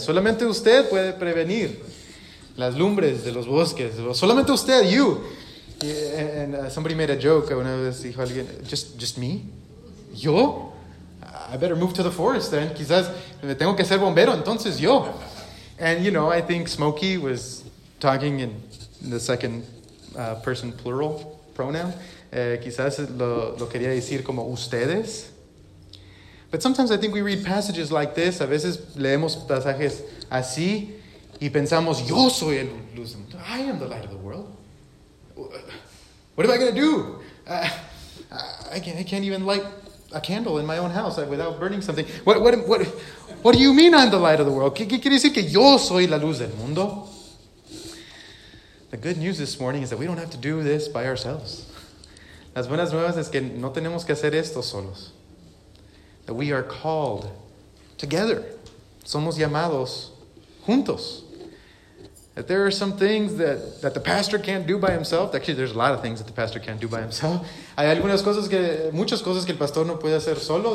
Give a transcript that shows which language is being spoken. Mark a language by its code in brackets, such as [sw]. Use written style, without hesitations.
[es] Solamente usted puede prevenir las lumbres de los bosques. Solamente usted, [en] you. And somebody made a joke. [es] Una vez dijo alguien, [en] just me? [es] Yo? [en] I better move to the forest then. [es] Quizás me tengo que ser bombero, entonces yo. [en] And you know, I think Smokey was talking in the second person plural pronoun. [es] Quizás lo quería decir como ustedes. [en] But sometimes I think we read passages like this. [es] A veces leemos pasajes así y pensamos, yo soy el luz. [en] I am the light of the world. What am I going to do? I can't even light a candle in my own house without burning something. What do you mean I'm the light of the world? [es] ¿Qué quiere decir que yo soy la luz del mundo? [en] The good news this morning is that we don't have to do this by ourselves. [es] Las buenas nuevas es que no tenemos que hacer esto solos. [en] That we are called together. [es] Somos llamados juntos. [en] That there are some things that the pastor can't do by himself. Actually, there's a lot of things that the pastor can't do by himself. [es] Hay algunas cosas que, muchas cosas que el pastor no puede hacer solo.